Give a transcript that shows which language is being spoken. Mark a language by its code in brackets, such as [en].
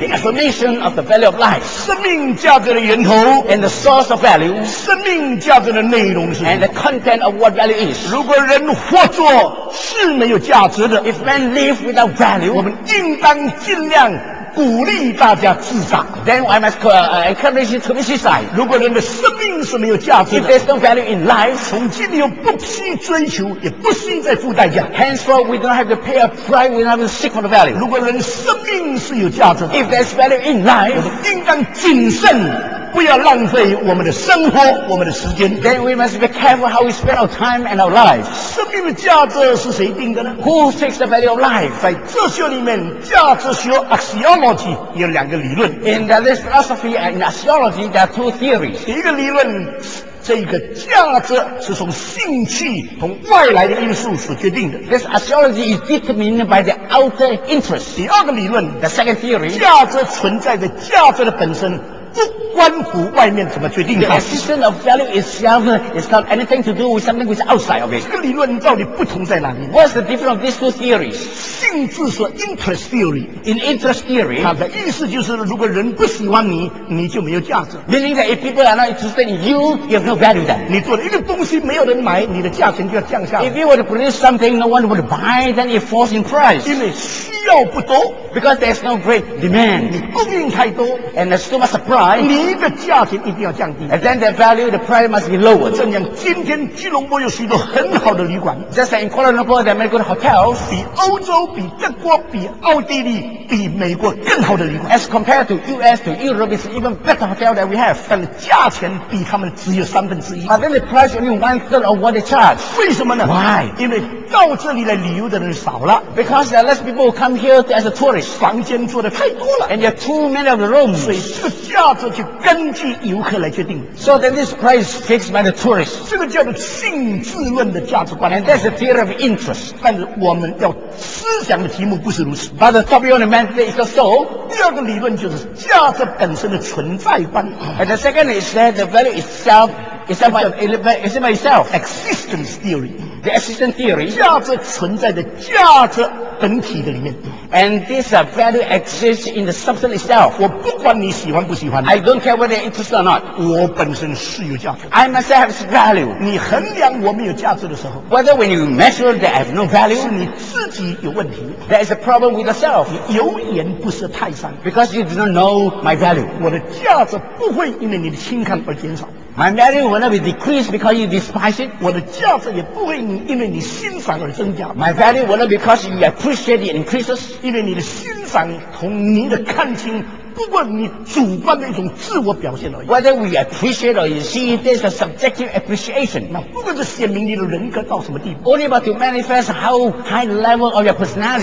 [en] The affirmation of the value of life. [zh] 生命价值的源头。 [en] And the source of value. [zh] 生命价值的内容是。 [en] And the content of what value is. [zh] 如果人活着是没有价值的。 [en] If man live without value, [zh] 我们应当尽量鼓励大家自杀。 [en] Then I must encourage you to be suicide. [zh] 如果人的生命是没有价值的。 [en] If there's no value in life, [zh] 从今以后不惜追求，也不惜再付代价。 [en] Henceforth, we don't have to pay a price. We don't have to seek for the value. [zh] 如果人生命是有价值的。 [en] If there's value in life, [zh] 我们应当谨慎。不要浪费我们的生活，我们的时间。 [en] Then we must be careful how we spend our time and our lives. [zh] 生命的价值是谁定的呢？ [en] Who takes the value of life? [zh] 在哲学里面，价值学 axiology 有两个理论。 [en] In this philosophy and in axiology, there are two theories. [zh] 一个理论，这个价值是从兴趣、从外来的因素所决定的。 [en] This axiology is determined by the outer interest. [zh] 第二个理论， [en] the second theory, [zh] 价值存在的价值的本身。不关乎外面怎么决定的。 [en] The existence of value itself is not anything to do with something which is outside of it. [zh] 这个理论到底不同在哪里？ [en] What's the difference of these two theories? [zh] 性质是 interest theory. [en] In interest theory, [zh] 它的意思就是如果人不喜欢你，你就没有价值。 [en] Meaning that if people are not interested in you, you have no value then. [zh] 你做的一个东西没有人买，你的价钱就要降下来。 [en] If you were to produce something no one would buy, then it falls in price. [zh] 因为需要不多。 [en] Because there's no great demand. [zh] 你供应太多。 [en] And there's too much supply. [zh] 你的价钱一定要降低。 [en] And then the value, the price must be lower. [zh] 正像今天吉隆坡有许多很好的旅馆。 [en] Just like in Kuala Lumpur, there are many good hotels. [zh] 比欧洲、比德国、比奥地利、比美国更好的旅馆。 [en] As compared to US, to Europe, it's even better hotel that we have. [zh] 但价钱比他们只有三分之一。 [en] But then the price only one third of what they charge. [zh] 为什么呢？ [en] Why? [zh] 因为到这里来旅游的人少了。 [en] Because there are less people who come here as a tourist. [zh] 房间做的太多了。 [en] And there are too many of the rooms. [zh] 所以这个价这就根据游客来决定。 [en] So then this price is fixed by the tourists. [zh] 这个叫做性质论的价值观。 [en] And that's the theory of interest. [zh] 但是我们要思想的题目不是如此。 [en] But the topic on the man today is the soul. [zh] 第二个理论就是价值本身的存在观。 [en] And the second is that the value itself is by itself. Existence theory. The existence theory. [zh] 价值存在的价值本体的里面。 [en] And this value exists in the substance itself. [zh] 我不管你喜欢不喜欢。 [en] I don't care whether you're interested or not. [zh] 我本身是有价值。 [en] I myself have value. [zh] 你衡量我没有价值的时候。 [en] Whether when you measure that I have no value. [zh] 是你自己有问题。 [en] There is a problem with yourself. [zh] 你有眼不识泰山。 [en] Because you do not know my value. [zh] 我的价值不会因为你的轻看而减少。 [en] My value will not be decreased because you despise it. [zh] 我的价值也不会因为你欣赏而增加。 [en] My value will not be because you appreciate it increases. [zh] 因为你的欣赏同你的看清，不管你主观的一种自我表现而已。 [en] Whether we appreciate or you see, there's a subjective appreciation. [zh] 那不管是显明你的人格到什么地步。 [en] Only about to manifest how high level of your personality.